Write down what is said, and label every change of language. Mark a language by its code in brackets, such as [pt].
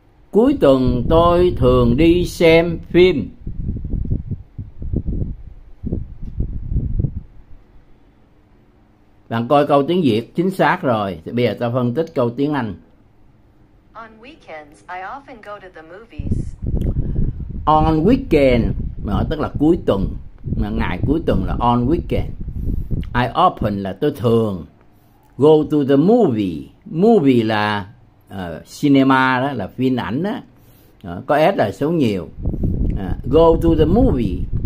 [vi] Cuối tuần tôi thường đi xem phim. Bạn coi câu tiếng Việt chính xác rồi. Thì bây giờ ta phân tích câu tiếng Anh. [en] On weekends, I often go to the movies. On weekend, [vi] tức là cuối tuần. Ngày cuối tuần là on weekend. [en] I often [vi] là tôi thường. [en] Go to the movie. [vi] Movie là cinema đó, là phim ảnh đó. Có S là số nhiều. [en] Go to the movie.